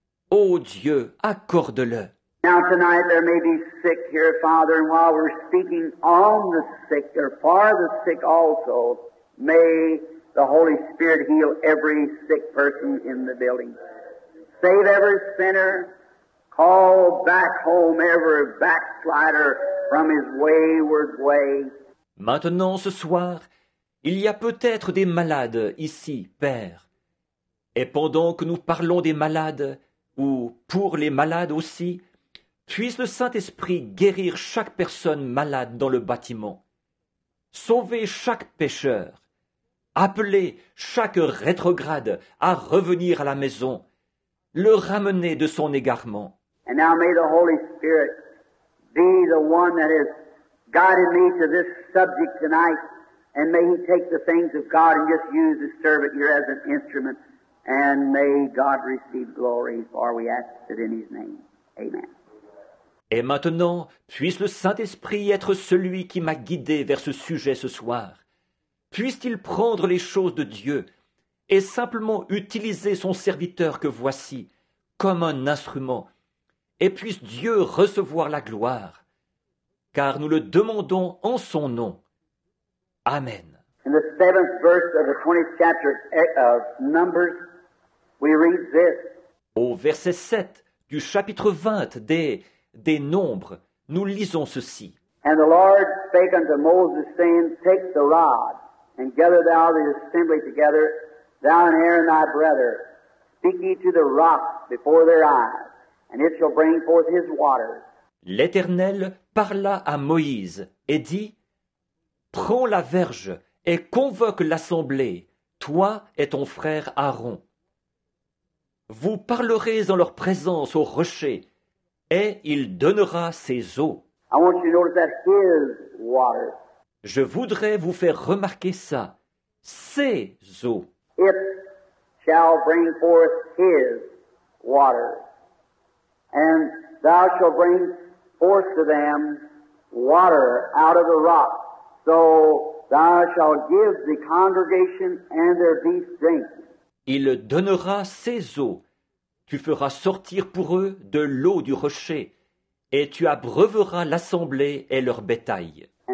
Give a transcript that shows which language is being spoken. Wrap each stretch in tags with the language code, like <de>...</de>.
<fr>Ô Dieu, accorde-le.</fr> <en>Now tonight there may be sick here, Father, and while we're speaking on the sick, or for the sick also, may the Holy Spirit heal every sick person in the building. Save every sinner. Call back home every backslider from his wayward way.</en> <fr>Maintenant, ce soir, il y a peut-être des malades ici, Père. Et pendant que nous parlons des malades, ou pour les malades aussi, puisse le Saint-Esprit guérir chaque personne malade dans le bâtiment. Sauver chaque pécheur. Appeler chaque rétrograde à revenir à la maison. Le ramener de son égarement.</fr> <en>And now may the Holy Spirit be the one that has guided me to this subject tonight, and may He take the things of God and just use His servant here as an instrument, and may God receive glory, for we ask it in His name. Amen.</en> <fr>Et maintenant, puisse le Saint-Esprit être celui qui m'a guidé vers ce sujet ce soir. Puisse-t-il prendre les choses de Dieu et simplement utiliser son serviteur que voici comme un instrument. Et puisse Dieu recevoir la gloire, car nous le demandons en son nom. Amen.</fr> <en>In the seventh verse of the 20th chapter of Numbers, we read this.</en> <fr>Au verset 7 du chapitre 20 des Nombres, Nous lisons ceci.</fr> <en>And the Lord spake unto Moses, saying, Take the rod, and gather thou the assembly together, thou and Aaron thy brother. Speak ye to the rock before their eyes, and it shall bring forth his waters.</en> <fr>L'Éternel parla à Moïse et dit, Prends la verge et convoque l'assemblée, toi et ton frère Aaron. Vous parlerez en leur présence au rocher, et il donnera ses eaux.</fr> <en>I want you to notice that his water.</en> <fr>Je voudrais vous faire remarquer ça. Ses eaux.</fr> <en>It shall bring forth his water. And thou shalt bring forth to them water out of the rock. So thou shalt give the congregation and their beasts drink.</en> <fr>Il donnera ses eaux. Tu feras sortir pour eux de l'eau du rocher, et tu abreuveras l'assemblée et leur bétail.</fr>